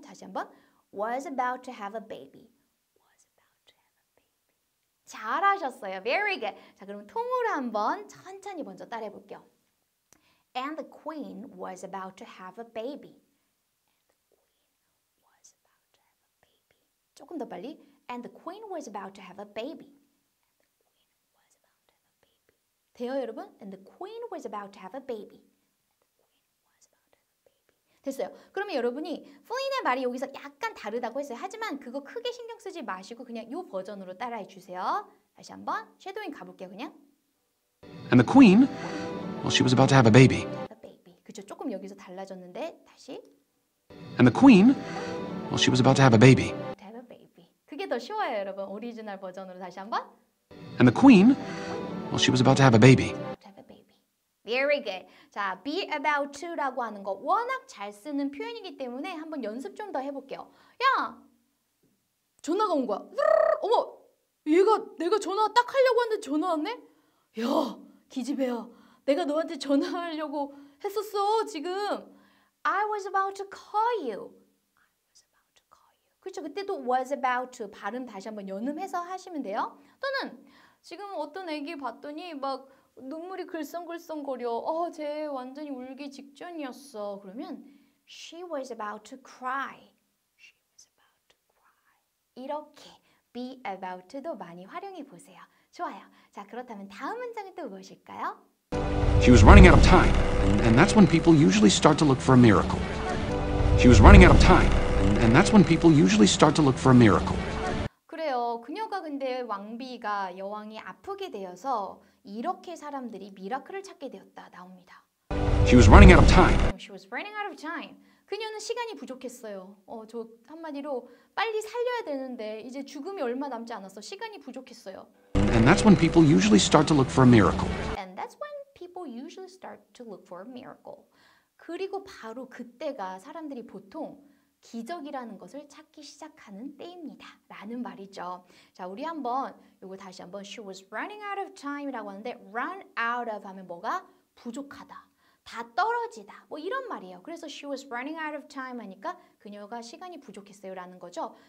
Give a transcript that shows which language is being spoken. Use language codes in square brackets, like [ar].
[ko] 다시 한번 [en] was about to have a baby. was about to have a baby. [ko] 잘하셨어요. [en] very good. [ko] 자, 그럼 통으로 한번 천천히 먼저 따라해 볼게요. [en] And the queen was about to have a baby. And the queen was about to have a baby. [ko] 조금 더 빨리 [en] And the queen was about to have a baby. [ko] 돼요, 여러분? [en] And the queen was about to have a baby. And the queen was about to have a baby. [ko] 됐어요. 그러면 여러분이 Flynn의 말이 여기서 약간 다르다고 했어요. 하지만 그거 크게 신경 쓰지 마시고 그냥 이 버전으로 따라해 주세요. 다시 한번 쉐도잉 가볼게요, 그냥. [en] And the queen, well, she was about to have a baby. A baby. [ko] 그렇죠, 조금 여기서 달라졌는데 다시. [en] And the queen, well, she was about to have a baby. To have a baby. [ko] 그게 더 쉬워요, 여러분. 오리지널 버전으로 다시 한번. [en] And the queen, Well, she was about to have a baby. Have a baby. Very good. [ko] 자, be about to라고 하는 거 워낙 잘 쓰는 표현이기 때문에 한번 연습 좀 더 해볼게요. 야, 전화가 온 거야. 어머, 얘가 내가 전화 딱 하려고 하는데 전화 왔네? 야, 기집애야. 내가 너한테 전화하려고 했었어, 지금. [en] I was about to call you. I was about to call you. [ko] 그렇죠, 그때도 [en] was about to [ko] 발음 다시 한번 연음해서 하시면 돼요. 또는 지금 어떤 애기 봤더니 막 눈물이 글썽글썽 거려. 쟤 완전히 울기 직전이었어. 그러면 [en] She was about to cry. She was about to cry. [ko] 이렇게 [en] be about도 많이 [ko] 활용해 보세요. 좋아요. 자, 그렇다면 다음 문장은 또 무엇일까요? [en] She was running out of time. And that's when people usually start to look for a miracle. She was running out of time. And that's when people usually start to look for a miracle. [ko] 그녀가 근데 왕비가 여왕이 아프게 되어서 이렇게 사람들이 미라클을 찾게 되었다 나옵니다. [en] She was running out of time. She was running out of time. [ko] 그녀는 시간이 부족했어요. 저 한마디로 빨리 살려야 되는데 이제 죽음이 얼마 남지 않았어. 시간이 부족했어요. [en] And that's when people usually start to look for a miracle. And that's when people usually start to look for a miracle. [ko] 그리고 바로 그때가 사람들이 보통 기적이라는 것을 찾기 시작하는 때입니다. 라는 말이죠. 자, 우리 한번 이거 다시 한번 [en] She was running out of time [ko] 이라고 하는데 run out of 하면 뭐가? 부족하다. 다 떨어지다. 뭐 이런 말이에요. 그래서 [en] She was running out of time [ko] 하니까 그녀가 시간이 부족했어요 라는 거죠.